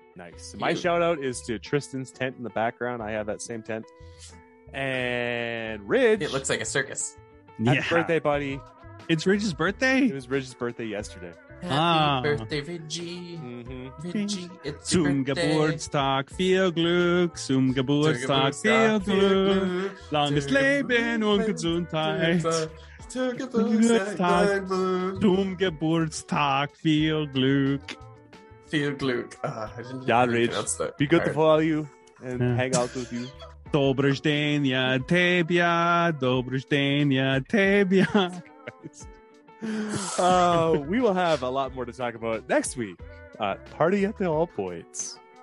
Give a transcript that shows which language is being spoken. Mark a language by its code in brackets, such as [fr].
[en] Nice. My shout out is to Tristan's tent in the background. I have that same tent. And Ridge. It looks like a circus. Happy birthday, buddy. It's Ridge's birthday? It was Ridge's birthday yesterday. Happy birthday, Ridgey. Mm-hmm. Ridgey, it's your birthday. [de] Zum Geburtstag, viel Glück. Zum Geburtstag, viel Glück. Langes Leben und Gesundheit. Zum Geburtstag, Zum Geburtstag, viel Glück. Feel Gluck. [en] Be good to follow you and hang out with you. Dobrzdenia tebia. Dobrzdenia tebia. We will have a lot more to talk about next week at Party at the All Points.